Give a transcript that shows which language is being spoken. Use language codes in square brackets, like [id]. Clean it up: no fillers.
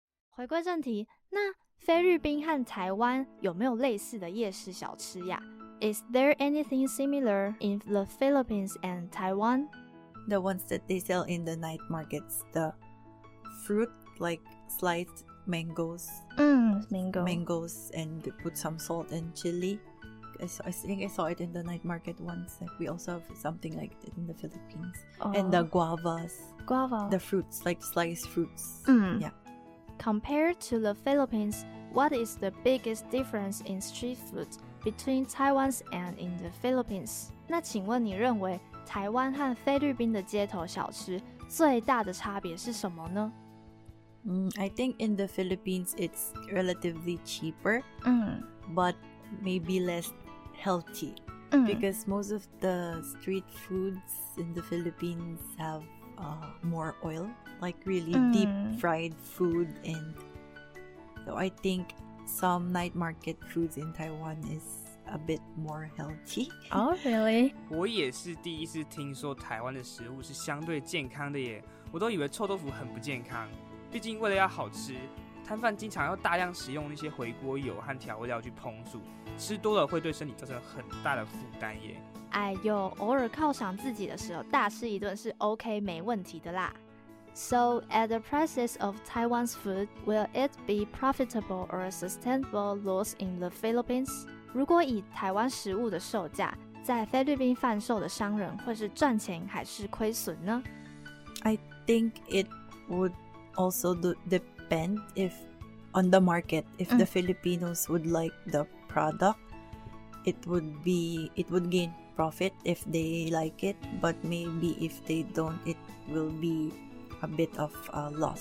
[zh] 回归正题，那菲律宾和台湾有没有类似的夜市小吃呀？ [en] Is there anything similar in the Philippines and Taiwan? The ones that they sell in the night markets, the fruit, like sliced mangoes. Mangoes, and they put some salt and chili. I think I saw it in the night market once. Like, we also have something like that in the Philippines. Oh. And the guavas. Guava. The fruits, like sliced fruits. Yeah. Compared to the Philippines, what is the biggest difference in street food between Taiwan's and in the Philippines? [zh] 那请问你认为台湾和菲律宾的街头小吃最大的差别是什么呢？ [en] I think in the Philippines, it's relatively cheaper, but maybe less healthy. Because most of the street foods in the Philippines have more oil. Like really deep fried food, and so I think some night market foods in Taiwan is a bit more healthy. Oh, really? [zh] 我也是第一次听说台湾的食物是相对健康的耶，我都以为臭豆腐很不健康。毕竟为了要好吃，摊贩经常要大量使用那些回锅油和调味料去烹煮，吃多了会对身体造成很大的负担耶。哎呦，偶尔犒赏自己的时候，大吃一顿是 OK 没问题的啦。 [en] So, at the prices of Taiwan's food, will it be profitable or a sustainable loss in the Philippines? [zh] 如果以台湾食物的售价，在菲律宾贩售的商人会是赚钱还是亏损呢？ [en] I think it would also depend if on the market, if the Filipinos would like the product, it would gain profit if they like it, but maybe if they don't, it will bebe a bit of a loss.